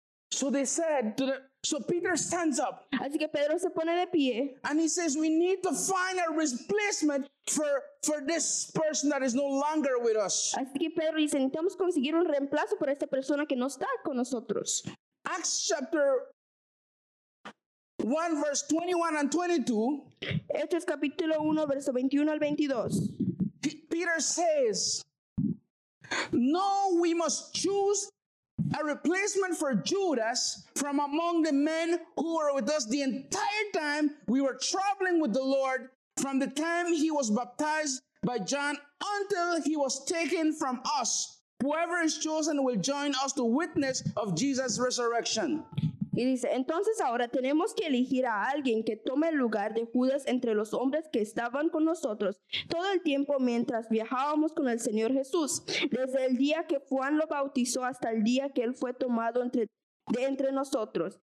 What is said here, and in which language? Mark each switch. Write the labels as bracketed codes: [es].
[en] So they said to the, so Peter stands up. [es] Así que Pedro se pone de pie. [en] And he says, we need to find a replacement for this person that is no longer with us. [es] Así que Pedro dice, necesitamos conseguir un reemplazo para esta persona que no está con nosotros. [en] Acts chapter 1 verse 21 and 22. [es] Hechos capítulo 1 verso 21 al 22. [en] Peter says, no, we must choose a replacement for Judas from among the men who were with us the entire time we were traveling with the Lord, from the time he was baptized by John until he was taken from us. Whoever is chosen will join us to witness of Jesus' resurrection. [es] Y dice, entonces ahora tenemos que elegir a alguien que tome el lugar de Judas entre los hombres que estaban con nosotros todo el tiempo mientras viajábamos con el Señor Jesús, desde el día que Juan lo bautizó hasta el día que él fue tomado entre nosotros.